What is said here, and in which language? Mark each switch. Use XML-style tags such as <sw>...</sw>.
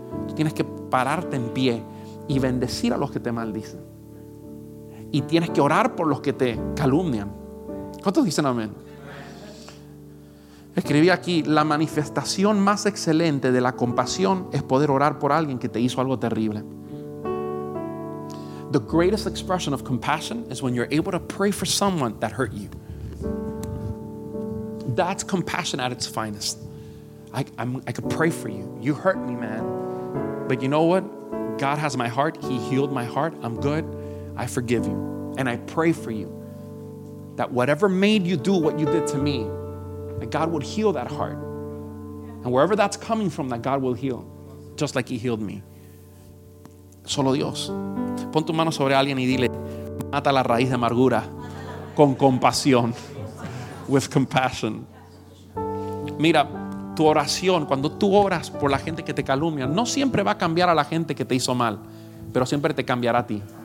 <es>Tú tienes que pararte en pie y bendecir a los que te maldicen. Y tienes que orar por los que te calumnian. ¿Cuántos dicen amén? Escribí aquí, la manifestación más excelente de la compasión es poder orar por alguien que te hizo algo terrible.</es> <en>The greatest expression of compassion is when you're able to pray for someone that hurt you. That's compassion at its finest. I could pray for you. You hurt me, man. But you know what? God has my heart. He healed my heart. I'm good. I forgive you. And I pray for you that whatever made you do what you did to me, that God would heal that heart. And wherever that's coming from, that God will heal, just like He healed me.</en> <es>Solo Dios. Pon tu mano sobre alguien y dile: mata la raíz de amargura con compasión.</es> <en>With compassion.</en> <es>Mira, tu oración, cuando tú oras por la gente que te calumnia, no siempre va a cambiar a la gente que te hizo mal, pero siempre te cambiará a ti.</es>